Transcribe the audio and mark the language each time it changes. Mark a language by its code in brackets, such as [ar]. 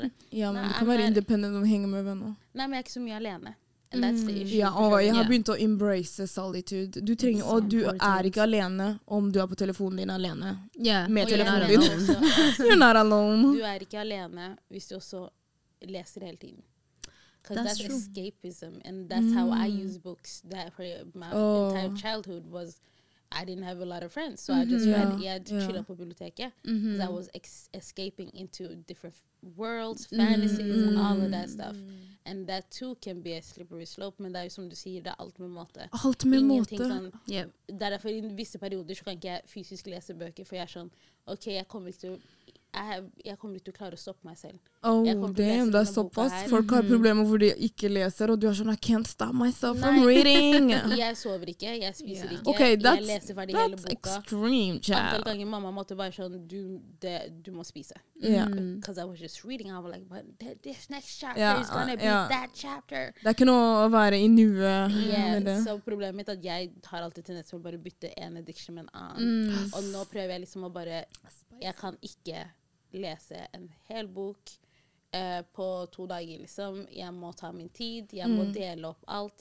[no] that. Ja, men du kan være independent og henge med venner. Nei, men jeg ikke så mye alene. [en] And that's the issue. [no] Ja, og jeg har begynt å [en] embrace solitude. [no] Du trenger, og du er ikke alene om du er på telefonen din alene. Ja, med telefonen din. [en] You're not alone. [no] Du er ikke alene hvis du også leser hele tiden. [en] Because that's escapism, and that's how I use books. That for my entire childhood was, I didn't have a lot of friends, so I just read. Yeah, to chill up a bibliotheque. Yeah, because I was escaping into different worlds, fantasies, all of that stuff, and that too can be a slippery slope. [no] Men det som du sier, det alt med måte. [en] Yeah, [no] derfor I visse perioder så kan jeg fysisk lese bøker, for jeg sånn, okay, jeg kommer til. Jeg kommer ikke til å klare å stoppe meg selv. Det er såpass. Folk har problemer fordi jeg ikke leser, og du har sånn, [en] I can't stop myself from reading. [no] Jeg sover ikke, jeg spiser ikke. [en] Okay, [no] jeg leser ferdig hele boka. [en] That's extreme, child. [no] Antall ganger mamma måtte bare sånn, du må spise. [en] Because I was just reading, I was like, but this next chapter is going to be that chapter. [no] Det er ikke noe å være I nuet. Så problemet mitt at jeg har alltid tendens til å bare bytte en addiction med en annen. Og nå prøver jeg liksom å bare, jeg kan ikke lese en hel bok på 2 dager, liksom. Jeg må ta min tid, jeg må dele opp alt.